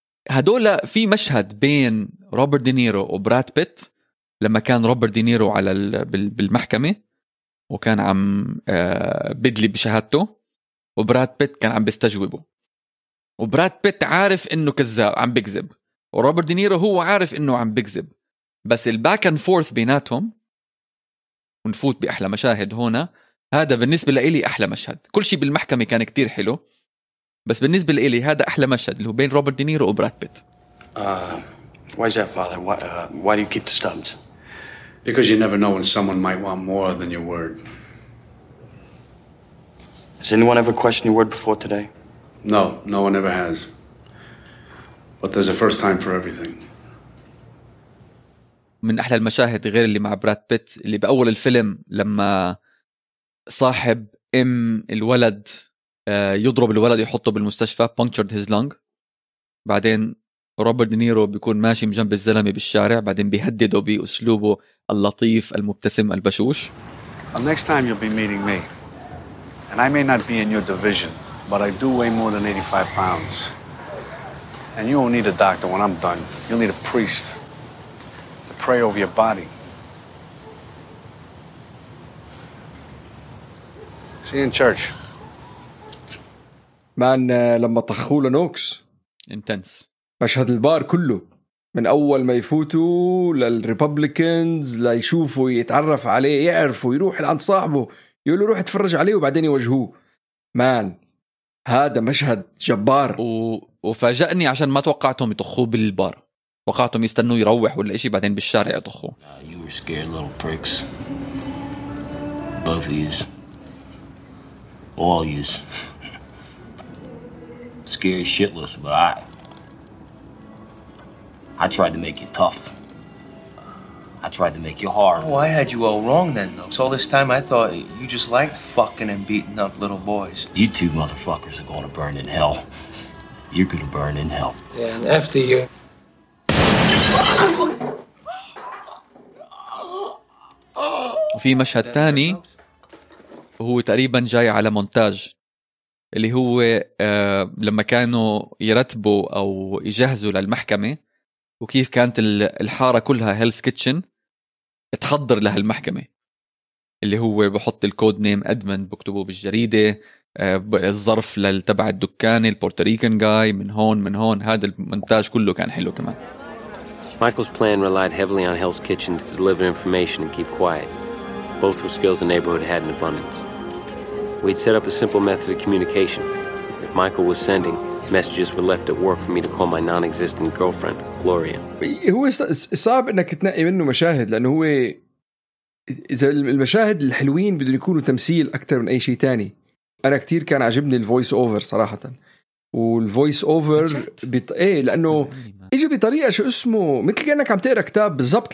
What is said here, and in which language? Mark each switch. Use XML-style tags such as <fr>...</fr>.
<ar>هدول في مشهد بين روبرت دينيرو وبراد بيت لما كان روبرت دينيرو على بالمحكمة وكان عم بدلي بشهادته وبراد بيت كان عم بيستجوبه وبراد بيت عارف انه كذاب عم بيكذب وروبرت دينيرو هو عارف انه عم بيكذب بس الباك اند فورث بيناتهم ونفوت باحلى مشاهد هنا. هذا بالنسبه لي احلى مشهد كل شيء بالمحكمه كان كتير حلو بس بالنسبه لي هذا احلى مشهد اللي هو بين روبرت دينيرو وبراد بيت.</ar> <en>Why is that, father? Why do you keep the stubs? Because you never know when someone might want more than your word. Has anyone ever questioned your word before today? No, no one ever has. But there's a first time for everything.</en> <ar>من احلى المشاهد غير اللي مع براد بيت اللي باول الفيلم لما صاحب ام الولد يضرب الولد يحطه بالمستشفى</ar> <en>punctured his lung</en> <ar>بعدين روبرت دينيرو بيكون ماشي جنب الزلمة بالشارع بعدين بيهدده بأسلوبه اللطيف المبتسم البشوش.</ar> <en>The next time you'll be meeting me and I may not be in your division but I do weigh more than 85 pounds and you won't need a doctor when I'm done you'll need a priest to pray over your body. See you in church.</en> <ar>مان لما طخوا له نوكس</ar> <en>انتنس</en> <ar>مشهد البار كله من أول ما يفوتوا للريبوبليكنز ليشوفوا يتعرف عليه يعرفوا يروح لعند صاحبه يقول له روح اتفرج عليه وبعدين يوجهوه. مان هذا مشهد جبار وفاجأني عشان ما توقعتهم يطخوه بالبار توقعتهم يستنوا يروح ولا إشي بعدين بالشارع يطخوه.</ar> <en>You were scared little pricks both yous all yous scared shitless but I I tried to make you tough. I tried to make you hard. Oh, I had you all wrong then, Nooks. All this time I thought you just liked fucking and beating up little boys. You two motherfuckers are going to burn in hell. You're going to burn in hell. Yeah, and after you...</en> <ar>في مشهد تاني هو تقريبا جاي على مونتاج اللي هو لما كانوا يرتبوا أو يجهزوا للمحكمة وكيف كانت الحارة كلها هيلز كيتشن تحضر لها المحكمة اللي هو بحط الكود نيم أدمن بكتبه بالجريدة الظرف للتبع الدكان البورتريكن جاي من هون من هون هذا المونتاج كله كان حلو كمان.</ar> <en>Michael's plan relied heavily on Hell's Kitchen to deliver information and keep quiet. Both were skills the neighborhood had in abundance. We'd set up a simple method of communication. If Michael was sending, messages were left at work for me to call my non-existent girlfriend, Gloria.</en> <ar>هو صعب انك تنقي منه مشاهد لانه هو اذا المشاهد الحلوين بدهم يكونوا تمثيل اكثر من اي شيء ثاني. انا كثير كان عجبني الفويس اوفر صراحه. والفويس اوفر لانه يجي بطريقه شو اسمه مثل كانك عم تقرا كتاب بالضبط.</ar>